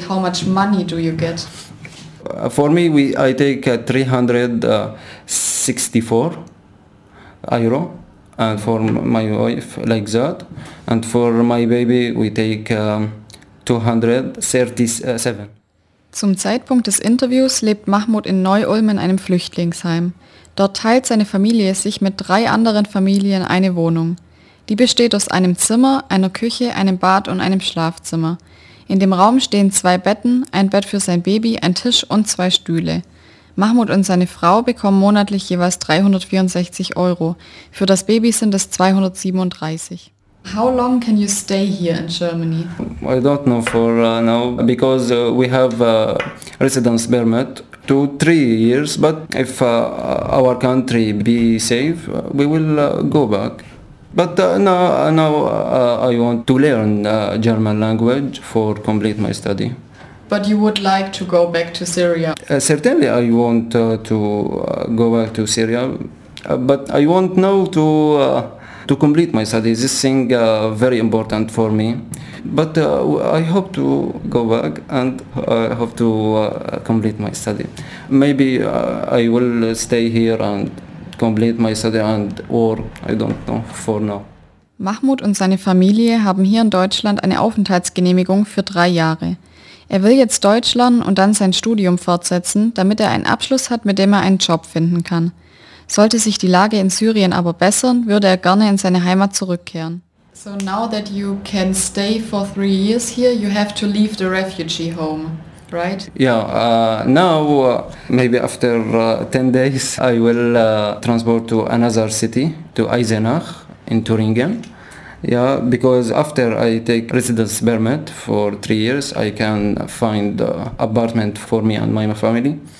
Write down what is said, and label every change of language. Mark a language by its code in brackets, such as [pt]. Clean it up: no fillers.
[en] How much money do you get? For me, I take 364 euro, and for my wife like that, and for my baby we take 237. [de] Zum Zeitpunkt des Interviews lebt Mahmoud in Neu-Ulm in einem Flüchtlingsheim. Dort teilt seine Familie sich mit drei anderen Familien eine Wohnung. Die besteht aus einem Zimmer, einer Küche, einem Bad und einem Schlafzimmer. In dem Raum stehen zwei Betten, ein Bett für sein Baby, ein Tisch und zwei Stühle. Mahmoud und seine Frau bekommen monatlich jeweils 364 Euro. Für das Baby sind es 237. [en] How long can you stay here in Germany? I don't know for now, because we have a residence permit. 2-3 years, but if our country be safe, we will go back. But now I want to learn German language for complete my study. But you would like to go back to Syria? Certainly I want to go back to Syria, but I want now to complete my study. This thing very important for me. But I hope to go back and I hope to complete my study. Maybe I will stay here and complete my study and or I don't know for now. [de] Mahmoud und seine Familie haben hier in Deutschland eine Aufenthaltsgenehmigung für 3 Jahre. Er will jetzt Deutsch lernen und dann sein Studium fortsetzen, damit er einen Abschluss hat, mit dem er einen Job finden kann. Sollte sich die Lage in Syrien aber bessern, würde er gerne in seine Heimat zurückkehren. [en] So now that you can stay for 3 years here, you have to leave the refugee home, right? Yeah, now, maybe after 10 days, I will transport to another city, to Eisenach in Thuringia. Yeah, because after I take residence permit for 3 years, I can find apartment for me and my family.